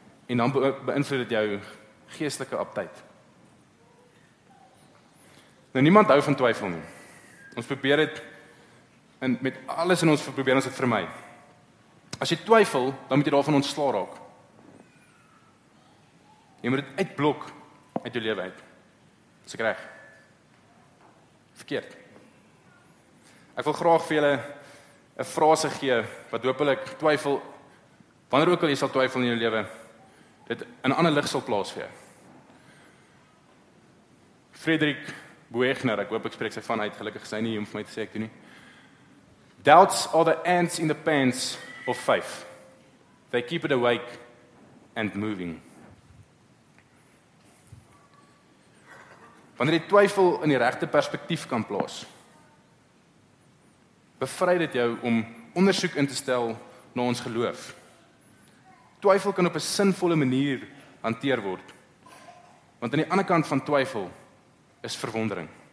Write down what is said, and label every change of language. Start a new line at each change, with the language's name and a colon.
Afrikaans: En dan beïnvloed dit jou geestelike aptyd. Nou niemand hou van twyfel nie. Ons probeer dit en met alles in ons probeer ons dit vermy. As jy twyfel, dan moet jy daarvan ontsla raak. Jy moet dit uitblok uit jou lewe uit. Is ek reg? Verkeerd. Ek wil graag vir julle 'n frase gee wat hopelik twyfel, wanneer ook al jy sal twyfel in jou lewe, dit in 'n ander lig sal plaas vir jou. Frederik Boegner, ek hoop ek spreek sy van uit, gelukkig sy nie om vir my te sê ek doe nie.
English: Doubts are the ants in the pants of faith. They keep it awake and moving.
Afrikaans: Wanneer jy twyfel in die regte perspektief kan plaas, bevry dit jou om ondersoek in te stel na ons geloof. Twyfel kan op 'n sinvolle manier hanteer word, want aan die ander kant van twyfel is verwondering.